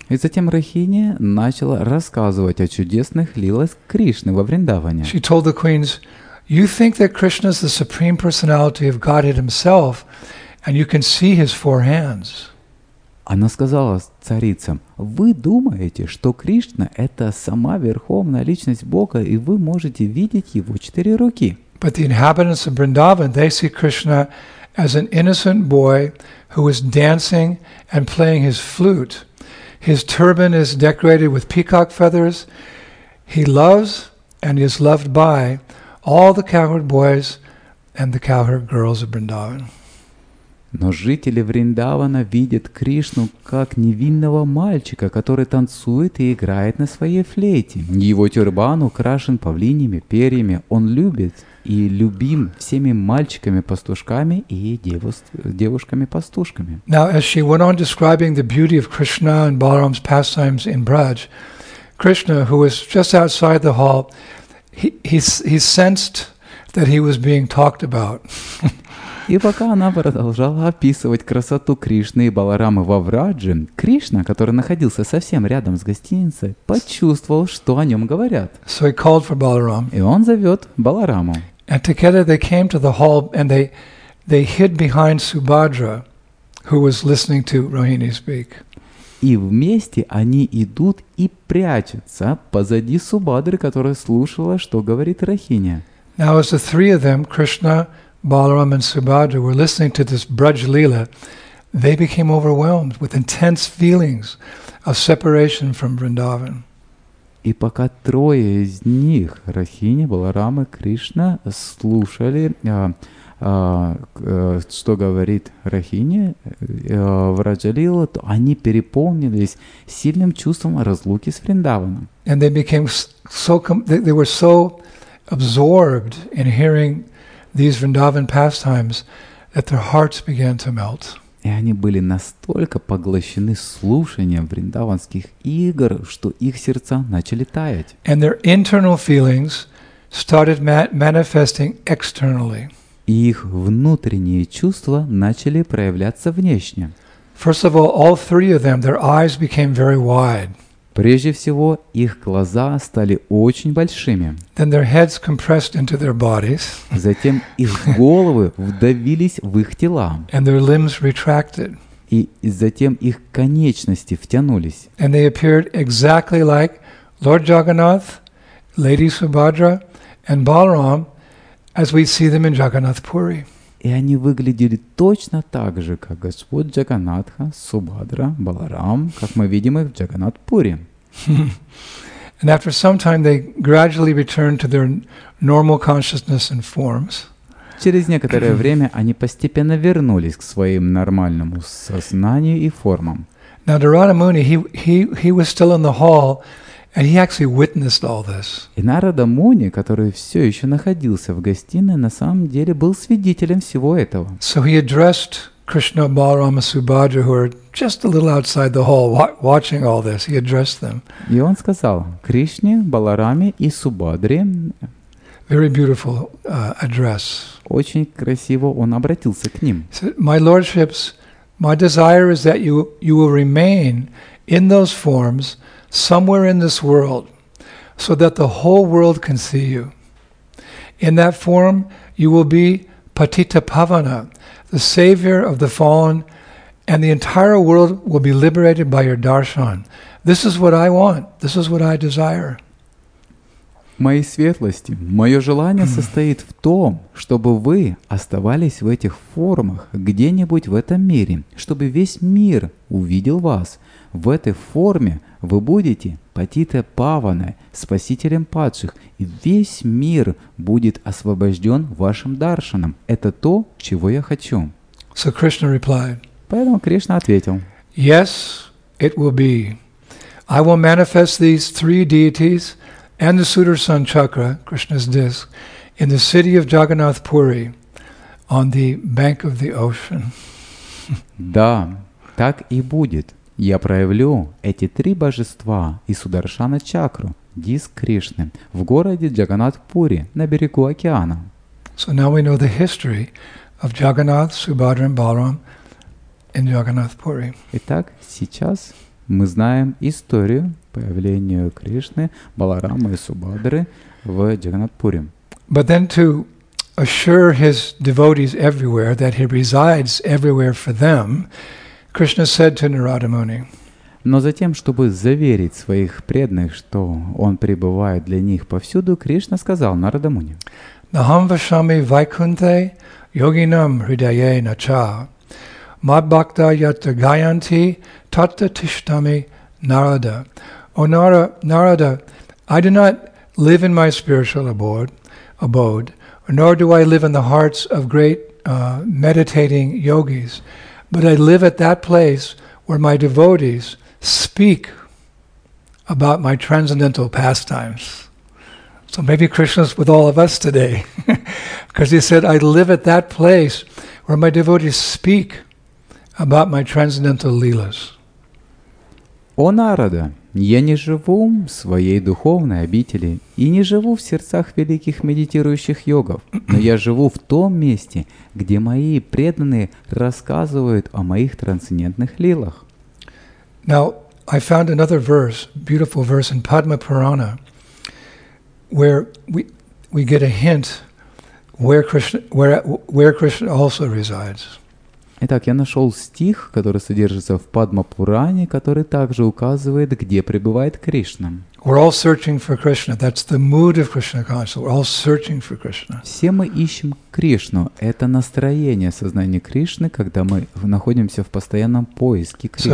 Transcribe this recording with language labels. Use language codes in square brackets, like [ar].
[ru] И затем Рохини начала рассказывать о чудесных лилах Кришны во Вриндаване. [en] She told the queens, "You think that Krishna is the supreme personality of Godhead himself, and you can see his four hands." [ru] Она сказала царицам: "Вы думаете, что Кришна это сама верховная личность Бога, и вы можете видеть его четыре руки?" [en] But the inhabitants of Vrindavan, they see Krishna as an innocent boy who is dancing and playing his flute. His turban is decorated with peacock feathers. He loves and is loved by all the cowherd boys and the cowherd girls of Vrindavan. [ru] Но жители Вриндавана видят Кришну как невинного мальчика, который танцует и играет на своей флейте. Его тюрбан украшен павлиньими перьями. Он любит и любим всеми мальчиками-пастушками и девушками-пастушками. [en] Now, as she went on describing the beauty of Krishna and Balaram's pastimes in Braj, Krishna, who was just outside the hall, he sensed that he was being talked about. [ru] И пока она продолжала описывать красоту Кришны и Баларамы во Врадже, Кришна, который находился совсем рядом с гостиницей, почувствовал, что о нем говорят. [en] So he called for Balaram. [ru] И он зовет Балараму. [en] And together they came to the hall and they hid behind Subhadra, who was listening to Rohini speak. [ru] И вместе они идут и прячутся позади Субхадры, которая слушала, что говорит Рахиня. [en] Now as the three of them, Krishna, Balaram and Subhadra, were listening to this Braj Leela, they became overwhelmed with intense feelings of separation from Vrindavan. [ru] И пока трое из них, Рахини, Баларам и Кришна, слушали, что говорит Рахини в Раджалиле, то они переполнились сильным чувством разлуки с Вриндаваном. [en] And they became so, they were so absorbed in hearing these Vrindavan pastimes that their hearts began to melt. [ru] И они были настолько поглощены слушанием вриндаванских игр, что их сердца начали таять. [en] And their internal feelings started manifesting externally. [ru] И их внутренние чувства начали проявляться внешне. [en] First of all three of them, their eyes became very wide. [ru] Прежде всего, их глаза стали очень большими. [en] Then their heads compressed into their bodies. [ru] Затем их головы вдавились в их тела. [en] And their limbs retracted. [ru] И затем их конечности втянулись. [en] And they appeared exactly like Lord Jagannath, Lady Subhadra, and Balaram, as we see them in Jagannath Puri. [ru] И они выглядели точно так же, как Господь Джаганатха, Субхадра, Баларам, как мы видим их в Джаганатпуре. [en] And after some time they gradually returned to their normal consciousness and forms. [ru] Через некоторое время они постепенно вернулись к своим нормальному сознанию и формам. [en] Now Narada Muni, he was still in the hall. And he actually witnessed all this. [ru] И Нарада Муни, который все еще находился в гостиной, на самом деле был свидетелем всего этого. [en] So he addressed Krishna, Balaram, and Subhadra, who are just a little outside the hall, watching all this. He addressed them. [ru] И он сказал Кришне, Баларами и Субхадре. [en] Very beautiful address. [ru] Очень красиво он обратился к ним. [en] He said, my lordships, my desire is that you will remain in those forms. Somewhere in this world, so that the whole world can see you. In that form, you will be Patita Pavana, the savior of the fallen, and the entire world will be liberated by your darshan. This is what I want. This is what I desire. [ru] Мои светлости, мое желание состоит в том, чтобы вы оставались в этих формах где-нибудь в этом мире, чтобы весь мир увидел вас. В этой форме вы будете Патита Павана, спасителем падших, и весь мир будет освобожден вашим даршаном. Это то, чего я хочу. [en] So Krishna replied, [ru] поэтому Кришна ответил, [en] yes, it will be. I will manifest these three deities and the Sudarshan Chakra, Krishna's disc, in the city of Jagannath Puri, on the bank of the ocean. [ru] Да, так и будет. Я проявлю эти три божества и Сударшана Чакру, диск Кришны, в городе Джаганатхпури, на берегу океана. [en] So now we know the history of Jagannath, Subhadra and Balaram in Jagannathpuri. [ru] Итак, сейчас мы знаем историю появления Кришны, Баларамы и Субхадры в Джаганатхпури. [en] But then to assure his devotees everywhere that he resides everywhere for them, Krishna said to Narada Muni. [ru] Но затем, чтобы заверить своих преданных, что он пребывает для них повсюду, Кришна сказал Нарада Муни. [sa] Нахам вашами вайкунте йогинам хридае нача. Мадбхакта ята гаянти татта тиштами Нарада. [en] О Нарада, I do not live in my spiritual abode, nor do I live in the hearts of great meditating yogis. But I live at that place where my devotees speak about my transcendental pastimes. So maybe Krishna's with all of us today. Because he said, I live at that place where my devotees speak about my transcendental leelas. [ru] О Нарада, я не живу в своей духовной обители и не живу в сердцах великих медитирующих йогов, но я живу в том месте, где мои преданные рассказывают о моих трансцендентных лилах. [en] Now, I found another verse, beautiful verse in Padma Purana, where we get a hint where Krishna also resides. [ru] Итак, я нашел стих, который содержится в Падма-пуране, который также указывает, где пребывает Кришна. [en] We're all searching for Krishna. That's the mood of Krishna consciousness. We're all searching for Krishna. [ru] Все мы ищем Кришну. Это настроение сознания Кришны, когда мы находимся в постоянном поиске Кришны.